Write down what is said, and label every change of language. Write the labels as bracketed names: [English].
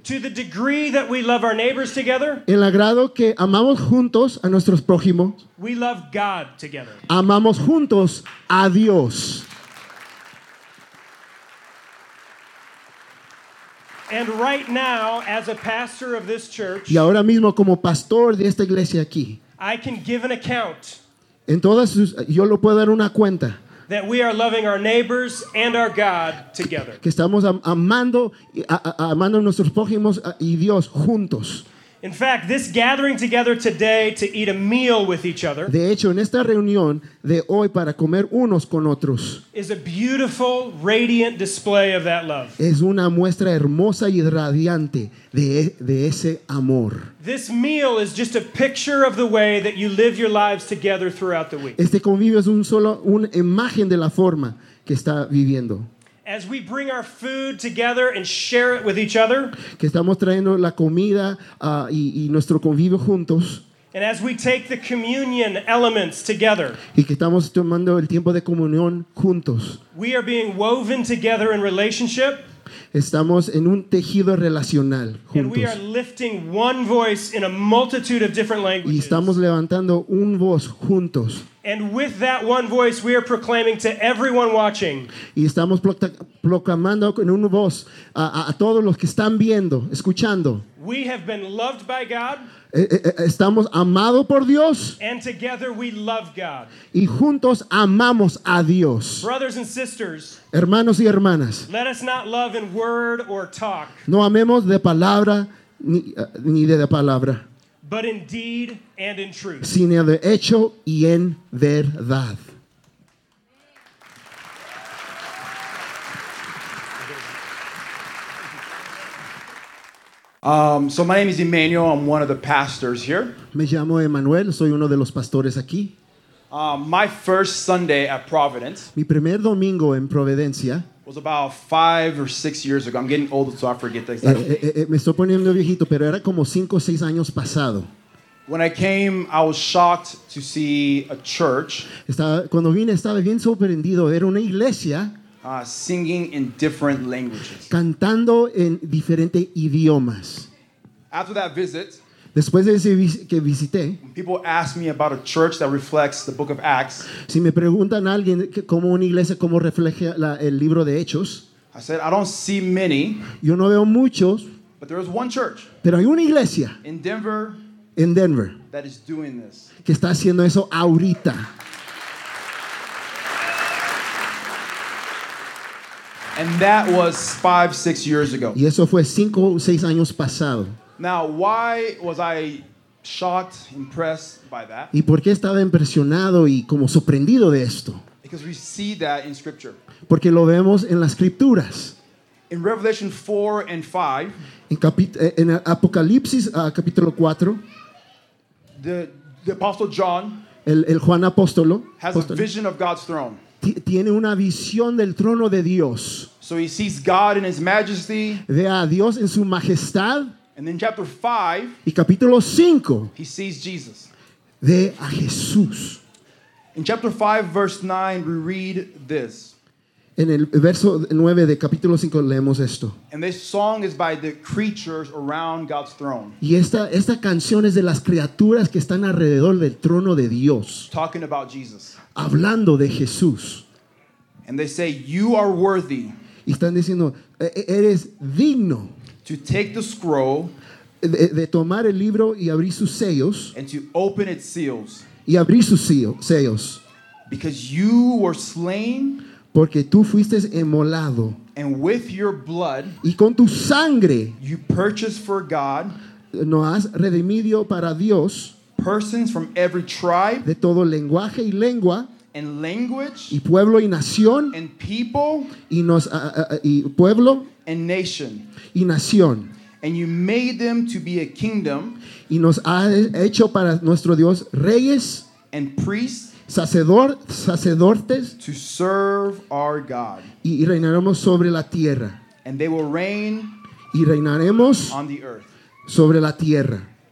[English] to the degree that we love our neighbors together, [Spanish] en el grado que amamos juntos a nuestros prójimos, [English] we love God together. [Spanish] Amamos juntos a Dios. [English] And right now, as a pastor of this church, [Spanish] y ahora mismo como pastor de esta iglesia aquí, [English] I can give an account. [Spanish] En todas sus, yo lo puedo dar una cuenta. [English] That we are loving our neighbors and our God together. [Spanish] Que estamos amando a nuestros prójimos y Dios juntos. [English] In fact, this gathering together today to eat a meal with each other, [Spanish] de hecho, en esta reunión de hoy para comer unos con otros, [English] is a beautiful, radiant display of that love. [Spanish] Es una muestra hermosa y radiante de ese amor. [English] This meal is just a picture of the way that you live your lives together throughout the week. [Spanish] Este convivio es una imagen de la forma que está viviendo. [English] As we bring our food together and share it with each other, [Spanish] que estamos trayendo la comida y nuestro convivio juntos, [English] and as we take the communion elements together, [Spanish] y que estamos tomando el tiempo de comunión juntos, [English] we are being woven together in relationship. [Spanish] Estamos en un tejido relacional juntos. [English] And we are lifting one voice in a multitude of different languages. [Spanish] Y estamos levantando un voz juntos. [English] And with that one voice, we are proclaiming to everyone watching. [Spanish] Y estamos proclamando con una voz a todos los que están viendo, escuchando. [English] We have been loved by God. [Spanish] Estamos amados por Dios. [English] And together we love God. [Spanish] Y juntos amamos a Dios. [English] Brothers and sisters. [Spanish] Hermanos y hermanas. [English] Let us not love in word or talk. [Spanish] No amemos de palabra ni de palabra. [English] But in deed and in truth. [Spanish] Sino de hecho y en verdad. [English] So my name is Emmanuel. I'm one of the pastors here. [Spanish] Me llamo Emmanuel. Soy uno de los pastores aquí. [English] My first Sunday at Providence. [Spanish] Mi primer domingo en Providencia. [English] Was about 5 or 6 years ago. I'm getting old, so I forget the exact. [Spanish] Me estoy poniendo viejito, pero era como 5 o 6 años pasado. [English] When I came, I was shocked to see a church. [Spanish] Cuando vine, estaba bien sorprendido. Era una iglesia. [English] Singing in different languages. [Spanish] Cantando en diferentes idiomas. [English] After that visit, [Spanish] Después de ese que visité, [English] people ask me about a church that reflects the book of Acts. [Spanish] Si me preguntan a alguien cómo una iglesia cómo refleja la, el libro de Hechos, [English] I said I don't see many. [Spanish] Yo no veo muchos. [English] But there is one church. [Spanish] Pero hay una iglesia. [English] In Denver. In Denver. That is doing this. [Spanish] Que está haciendo eso ahorita. [English] And that was 5-6 years ago. [Spanish] Y eso fue 5-6 años pasado. [English] Now, why was I shocked, impressed by that? [Spanish] ¿Y por qué estaba impresionado y como sorprendido de esto? [English] Because we see that in scripture. [Spanish] Porque lo vemos en las escrituras. [English] In Revelation 4 and 5. [Spanish] En Apocalipsis capítulo 4. [English] The apostle John. [Spanish] El Juan apóstolo. [English] Has apostolo. A vision of God's throne. [Spanish] Tiene una visión del trono de Dios. [English] So he sees God in his majesty. [Spanish] Ve a Dios en su majestad. [English] And in chapter 5. [Spanish] Y capítulo 5. [English] He sees Jesus. [Spanish] Ve a Jesús. [English] In chapter 5 verse 9 we read this. [Spanish] En el verso 9 de capítulo 5 leemos esto. [English] And this song is by the creatures around God's throne. [Spanish] Y esta canción es de las criaturas que están alrededor del trono de Dios. [English] Talking about Jesus. [Spanish] Hablando de Jesús. [English] And they say, you are worthy. [Spanish] Y están diciendo, eres digno. [English] To take the scroll. [Spanish] De tomar el libro y abrir sus sellos. [English] And to open its seals. [Spanish] Y abrir sus sellos. [English] Because you were slain. [Spanish] Porque tú fuiste inmolado. [English] And with your blood. [Spanish] Y con tu sangre. [English] You purchased for God. [Spanish] No has redimido para Dios. [English] Persons from every tribe. [Spanish] De todo lenguaje y lengua. [English] And language. [Spanish] Y pueblo y nación. [English] And people. [Spanish] Y nos y pueblo. [English] And nation. [Spanish] Y nación. [English] And you made them to be a kingdom. [Spanish] Y nos ha hecho para nuestro Dios reyes. [English] And priests. [Spanish] Sacerdotes. [English] To serve our God. [Spanish] Y reinaremos sobre la tierra. [English] And they will reign. [Spanish] Y reinaremos. [English] On the earth. [Spanish] Sobre la tierra.